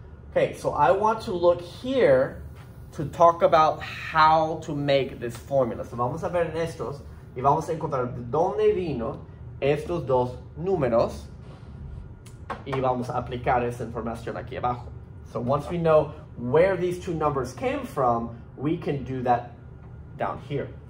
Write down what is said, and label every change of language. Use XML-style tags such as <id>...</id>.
<en>Okay, so I want to look here to talk about how to make this formula.</en> <es>So vamos a ver en estos y vamos a encontrar de dónde vino estos dos números. Y vamos a aplicar esa información aquí abajo.</es> <en>So once we know where these two numbers came from, we can do that down here.</en>